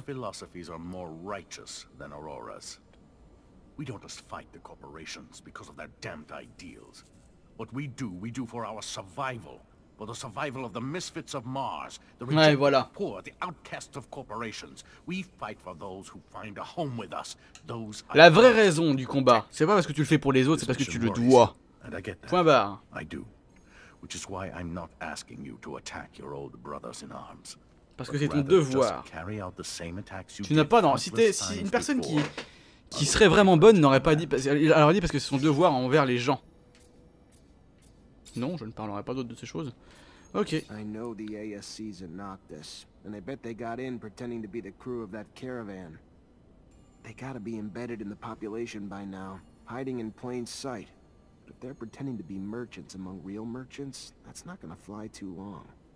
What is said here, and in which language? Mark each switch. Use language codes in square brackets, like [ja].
[en] Their philosophies are more righteous than Aurora's. We don't just fight the corporations because of their damned ideals. What we do for our survival. For the survival of the misfits of Mars, the rich [fr] ouais, voilà. [en] Poor, the outcasts of corporations. We fight for those who find a home with us. Those [fr] la vraie raison du combat, c'est pas parce que tu le fais pour les autres, c'est parce que tu le dois. [en] And I get that. [fr] Point barre. [en] I do. Which is why I'm not asking you to attack your old brothers in arms. [fr] Parce que c'est ton devoir. Tu n'as pas, non, si t'es, si une personne qui serait vraiment bonne n'aurait pas dit, elle aurait dit parce que c'est son devoir envers les gens. Non, je ne parlerai pas d'autre de ces choses. Ok. [en] I know the ASC's in Noctis, and I bet they got in pretending to be the crew of that caravan. They gotta be embedded in the population by now, hiding in plain sight. But if they're pretending to be merchants among real merchants, that's not gonna fly too long.